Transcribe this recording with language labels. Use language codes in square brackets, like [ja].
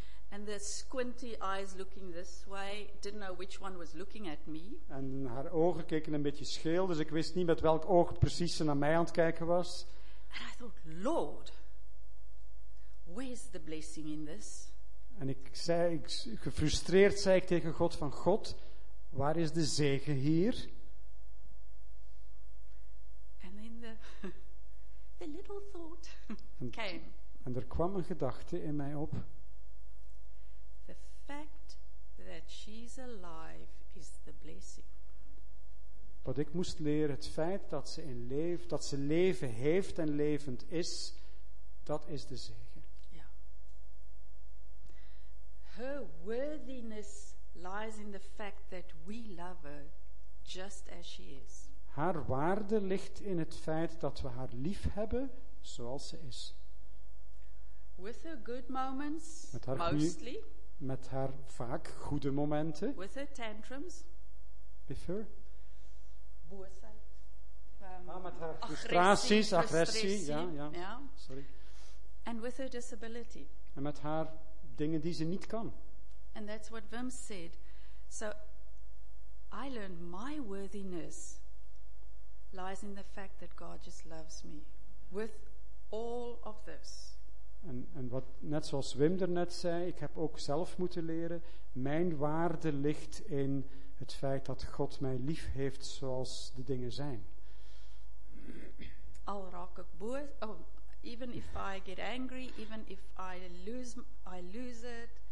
[en] And the squinty eyes looking this way, didn't know which one was looking at me. [nl] En haar ogen keken een beetje scheel, dus ik wist niet met welk oog precies ze naar mij aan het kijken was. [en] And I thought, Lord, where's the blessing in this? [nl] En gefrustreerd zei ik tegen God van, God, waar is de zegen hier? [en] And then the little thought came. [nl] En er kwam een gedachte in mij op. [en] The fact that she's alive is the blessing. [nl] Wat ik moest leren, het feit dat ze leven heeft en levend is, dat is de zegen. Ja. [en] Her worthiness lies in the fact that we love her just as she is. [nl] Haar waarde ligt in het feit dat we haar lief hebben zoals ze is. [en] With her good moments, mostly. [nl] Met haar vaak goede momenten. [en] With her tantrums. With her. [nl] Boosheid. Met haar frustraties, agressie. Ja. Sorry. [en] And with her disability. [nl] En met haar dingen die ze niet kan. [en] And that's what Wim said. So I learned my worthiness lies in the fact that God just loves me with all of this. [nl] En wat net zoals Wim er net zei, ik heb ook zelf moeten leren. Mijn waarde ligt in het feit dat God mij lief heeft zoals de dingen zijn. Al raak ik boos, [en] even if I get angry, even if I lose it.